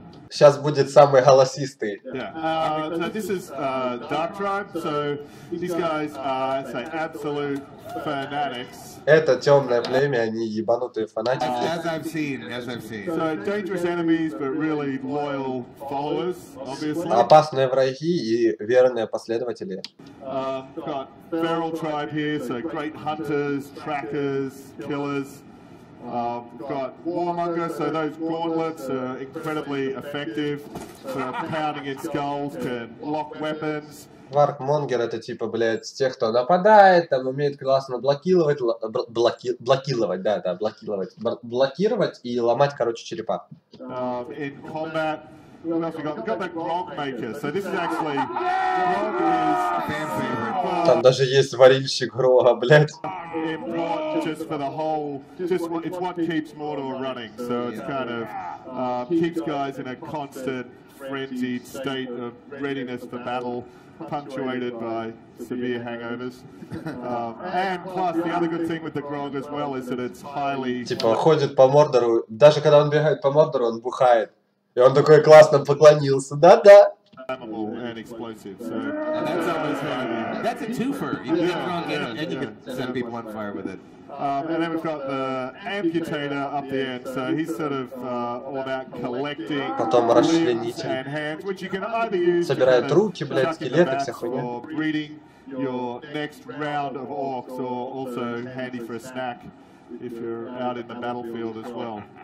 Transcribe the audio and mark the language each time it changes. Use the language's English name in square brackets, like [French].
[Russian] Сейчас будет самый голосистый. [English] Yeah. So this is Dark Tribe. So these guys are, say, absolute fanatics. [Russian] Это темное племя, они ебанутые фанатики. [English] As I've seen. So dangerous enemies, but really loyal followers, obviously. [Russian] Опасные враги и верные последователи. [English] Got Feral Tribe here, so great hunters, trackers, killers. Got Warmonger, so those gauntlets are incredibly effective for pounding in skulls, can block weapons. [Russian] Варкмонгер — это типа, блядь, тех, кто нападает, там умеет классно блокировать и ломать, короче, черепа. [English] In combat, we've got the Grogmaker. So this is actually Grog is fan favorite. [Russian] Там даже есть варильщик Грога, блядь. [English] Just for the whole, just it's what keeps Mordor running. So it's kind of keeps guys in a constant frenzied state of readiness for battle. Punctuated by severe hangovers. And plus, the other good thing with the Grog as well is that it's highly. [Russian] Типа ходит по Мордору, даже когда он бегает по Мордору, он бухает. И он такой классно поклонился, да-да. [English] And explosive, so. And that's almost handy. That's a twofer. You can get Grog in and you can set people on fire with it. And then we've got the Amputator up the end, so he's sort of all about collecting limbs and hands, which you can either use to kind of chuck in the backs or breeding your next round of orcs, or also handy for a snack if you're out in the battlefield as well.